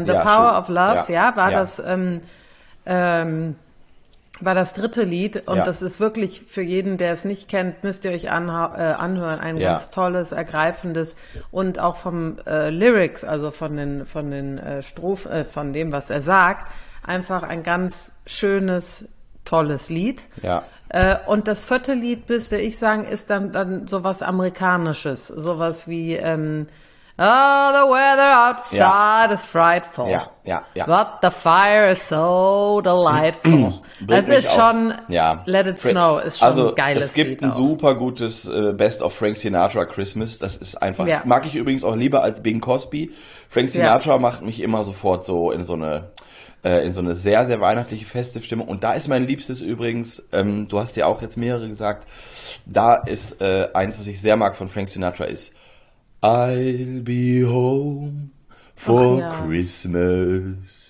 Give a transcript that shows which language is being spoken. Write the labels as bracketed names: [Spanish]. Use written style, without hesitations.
[German] The Power of Love, das... war das dritte Lied und das ist wirklich für jeden, der es nicht kennt, müsst ihr euch anhören, ein ganz tolles, ergreifendes und auch vom Lyrics, also von den Strophen, von dem, was er sagt, einfach ein ganz schönes, tolles Lied. Ja. Und das vierte Lied, müsste ich sagen, ist dann sowas Amerikanisches, sowas wie [English] oh, the weather outside is frightful. [German] Ja, ja, ja. [English] But the fire is so delightful. [German] Das ist schon, Let It Snow ist schon also, ein geiles Lied. Es gibt Lied ein super gutes Best of Frank Sinatra Christmas. Das ist einfach, mag ich übrigens auch lieber als Bing Crosby. Frank Sinatra macht mich immer sofort so in so eine sehr, sehr weihnachtliche, feste Stimmung. Und da ist mein Liebstes übrigens, du hast ja auch jetzt mehrere gesagt, da ist eins, was ich sehr mag von Frank Sinatra ist, [English] I'll be home for Christmas.